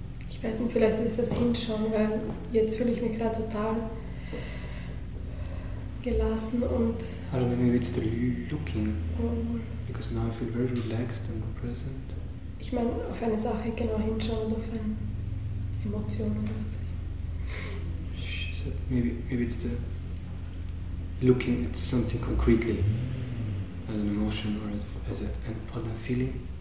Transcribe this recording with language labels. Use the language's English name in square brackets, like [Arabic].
[German] Ich weiß nicht, vielleicht ist das Hinschauen, weil jetzt fühle ich mich gerade total gelassen und... [English] Hallo, maybe it's the looking, because now I feel very relaxed and present. [German] Ich meine, auf eine Sache genau hinschauen und auf eine Emotion oder so. [English] She said, maybe it's the looking at something concretely, as an emotion or as a feeling.